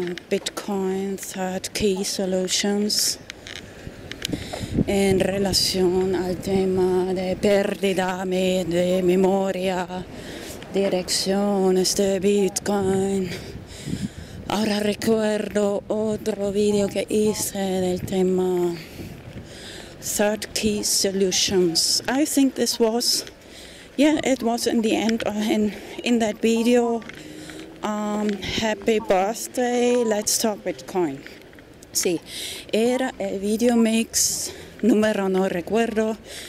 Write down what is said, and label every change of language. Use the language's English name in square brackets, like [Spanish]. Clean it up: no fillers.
[Spanish] Bitcoin third key solutions en relación al tema de pérdida de memoria, direcciones de Bitcoin. Ahora recuerdo otro video que hice del tema third key solutions. [English] I think this was, yeah, it was in the end in that video. Happy birthday, let's talk Bitcoin. [Spanish] Sí, era el video mix número, no recuerdo.